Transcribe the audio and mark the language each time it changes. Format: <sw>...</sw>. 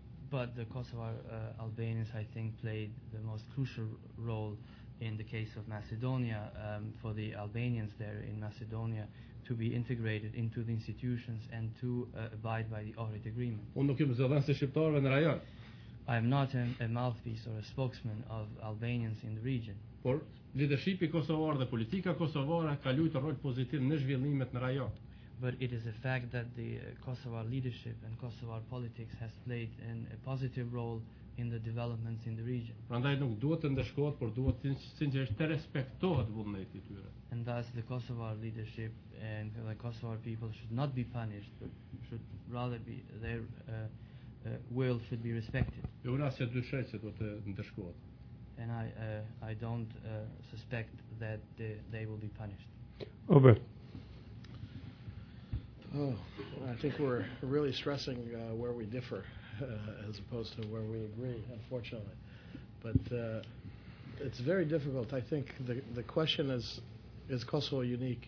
<en>But the Kosovar Albanians I think played the most crucial role in the case of Macedonia for the Albanians there in Macedonia to be integrated into the institutions and to abide by the Ohrid agreement.</en> <sq>Unë nuk jam zëdhënës shqiptarëve në rajon.</sq> <en>I am not a mouthpiece or a spokesman of Albanians in the region.</en> <sq>Por leadershipi kosovar dhe politika kosovare ka luajtur rol pozitiv në zhvillimet në rajon.</sq> <en>But it is a fact that the Kosovar leadership and Kosovar politics has played a positive role in the developments in the region.</en> <sq>Prandaj nuk duhet të ndeshkohet, por duhet sinqerisht të respektohet vullneti i tyre.</sq> <en>And thus the Kosovar leadership and the Kosovar people should not be punished, but should rather be their will should be respected.</en> <sq>Jo, unë asë dyshoj se do të ndeshkohet.</sq> <en>And I don't suspect that they will be punished. Ober. Oh, I think we're really stressing where we differ as opposed to where we agree, unfortunately. But it's very difficult. I think the question is Kosovo unique?</en>